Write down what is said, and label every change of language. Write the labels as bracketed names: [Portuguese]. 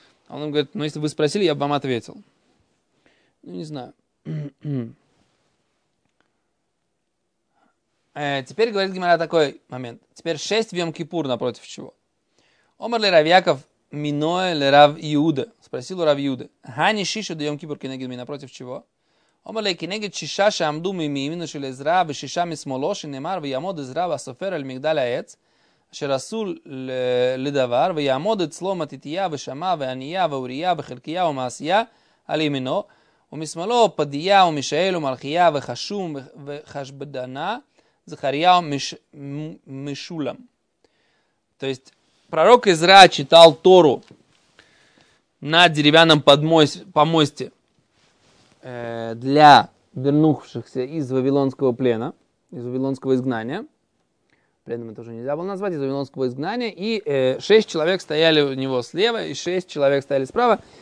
[Russian] А он говорит, ну, если бы вы спросили, я бы вам ответил. Ну, не знаю. Теперь говорит Гемара такой момент. Теперь шесть в Йом-Кипур напротив чего? [Aramaic] Омар ли Рав Яков Миноэ ли Рав Иуда? [Russian] Спросил у Рав Иуды. [Aramaic] Хани шишу до Йом-Кипур кенегид ми [Russian] напротив чего? [Hebrew] אמר לי, כנגד שישה שעמדו מימינו של עזרא ושישה משמאלו, שנאמר, ויעמוד עזרא והסופר על מגדל העץ, אשר עשו לדבר, ויעמוד אצלו מתתיה ושמע וענייה ואוריה וחלקיה ומעשיה על ימינו, ומשמאלו פדיה ומשאל ומלכיה וחשום וחשבדנה, זכריה ומשולם. [Russian] То есть, пророк עזרא читал Тору на деревянном помосте. Для вернувшихся из вавилонского плена, из вавилонского изгнания. Пленом это уже нельзя было назвать, из вавилонского изгнания. И шесть человек стояли у него слева, и шесть человек стояли справа.